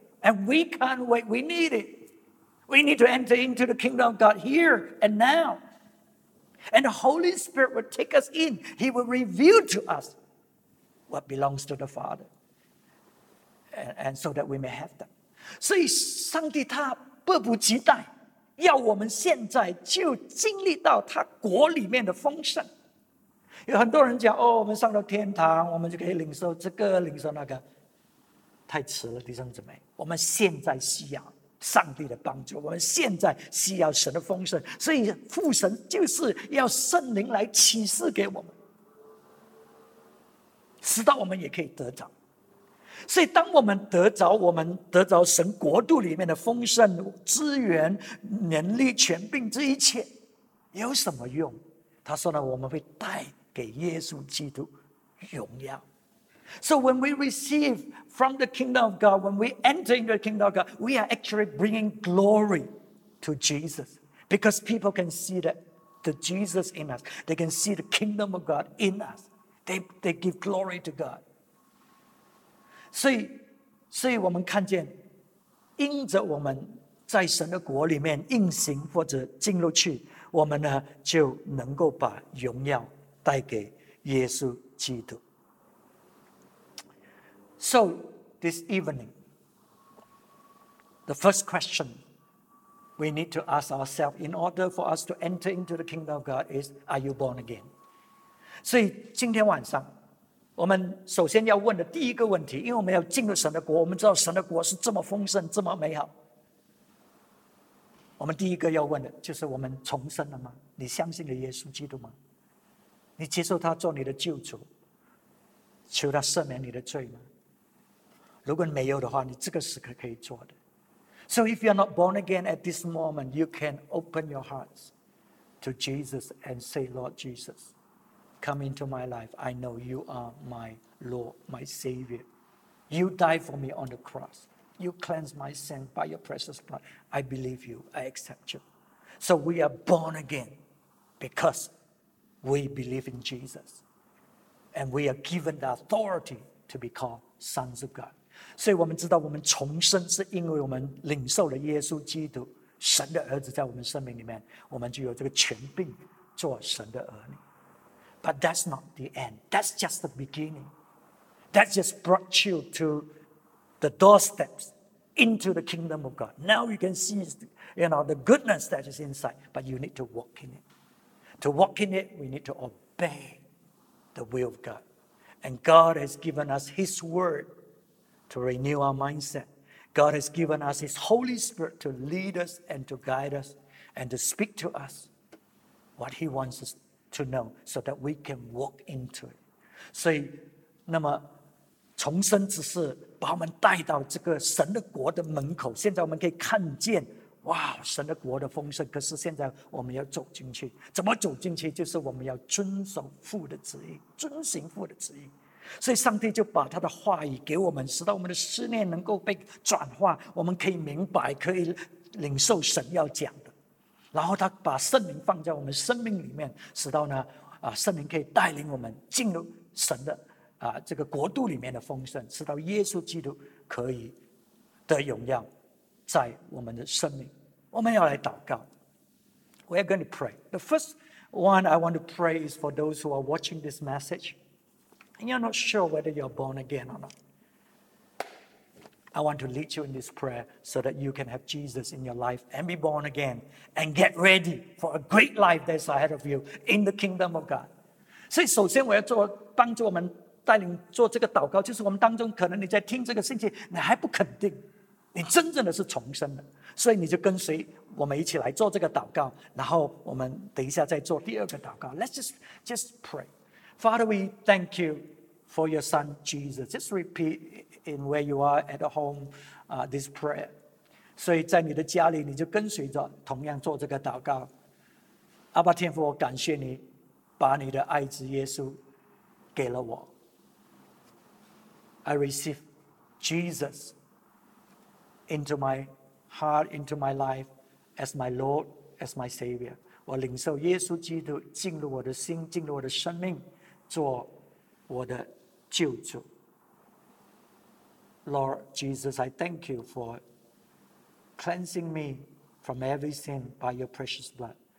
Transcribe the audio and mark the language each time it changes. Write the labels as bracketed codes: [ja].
[en] And we can't wait. We need it. We need to enter into the kingdom of God here and now. And the Holy Spirit will take us in. He will reveal to us what belongs to the Father, and so that we may have them. [zh] 所以上帝他迫不及待, 要我们现在就经历到他国里面的丰盛。有很多人讲，哦，我们上到天堂，我们就可以领受这个，领受那个。太迟了，弟兄姊妹，我们现在需要上帝的帮助，我们现在需要神的丰盛，所以父神就是要圣灵来启示给我们，使到我们也可以得着。所以当我们得着，我们得着神国度里面的丰盛资源、能力、权柄，这一切有什么用？他说呢，我们会带给耶稣基督荣耀。 [en] So when we receive from the kingdom of God, when we enter into the kingdom of God, we are actually bringing glory to Jesus. Because people can see that the Jesus in us. They can see the kingdom of God in us. They give glory to God. [zh] 所以我们看见，因着我们在神的国里面应行或者进入去，我们呢就能够把荣耀带给耶稣基督。 [en] So, this evening, the first question we need to ask ourselves in order for us to enter into the kingdom of God is, are you born again? [zh] 所以今天晚上，我们首先要问的第一个问题，因为我们要进入神的国，我们知道神的国是这么丰盛，这么美好。我们第一个要问的就是，我们重生了吗？你相信了耶稣基督吗？你接受他做你的救主，求他赦免你的罪吗？如果没有的话，你这个时刻可以做的。 [en] So if you are not born again at this moment, you can open your hearts to Jesus and say, Lord Jesus, come into my life. I know you are my Lord, my Savior. You died for me on the cross. You cleansed my sin by your precious blood. I believe you. I accept you. So we are born again because we believe in Jesus. And we are given the authority to be called sons of God. [zh] 所以我们知道我们重生是因为我们领受了耶稣基督神的儿子在我们生命里面，我们就有这个权柄做神的儿女。 [en] But that's not the end. That's just the beginning. That just brought you to the doorsteps into the kingdom of God. Now you can see, you know, the goodness that is inside, but you need to walk in it. To walk in it, we need to obey the will of God. And God has given us His wordTo renew our mindset. God has given us His Holy Spirit to lead us and to guide us and to speak to us what He wants us to know so that we can walk into it. [zh] 所以那么重生只是把我们带到这个神的国的门口，现在我们可以看见，哇，神的国的丰盛，可是现在我们要走进去，怎么走进去？就是我们要遵守父的旨意，遵行父的旨意。所以上帝就把他的话语给我们，使到我们的思念能够被转化，我们可以明白，可以领受神要讲的。然后他把圣灵放在我们生命里面，使到呢，圣灵可以带领我们进入神的这个国度里面的丰盛，使到耶稣基督可以得荣耀在我们的生命。我们要来祷告。 [en] We are going to pray. The first one I want to pray is for those who are watching this message. And you're not sure whether you're born again or not. I want to lead you in this prayer so that you can have Jesus in your life and be born again and get ready for a great life that's ahead of you in the kingdom of God. [zh] 所以首先我要做帮助我们带领做这个祷告，就是我们当中可能你在听这个信息，你还不肯定你真正的是重生的，所以你就跟随我们一起来做这个祷告，然后我们等一下再做第二个祷告。 [en] Let's just pray. Father, we thank you for your son, Jesus. Just repeat in where you are at home, this prayer. [zh] 所以在你的家里你就跟随着同样做这个祷告。阿爸天父，我感谢你把你的爱子耶稣给了我。 [en] I receive Jesus into my heart, into my life, as my Lord, as my Savior. [zh] 我领受耶稣基督进入我的心，进入我的生命。做我的救主。 [en] Lord Jesus, I thank you for cleansing me from every sin by your precious blood.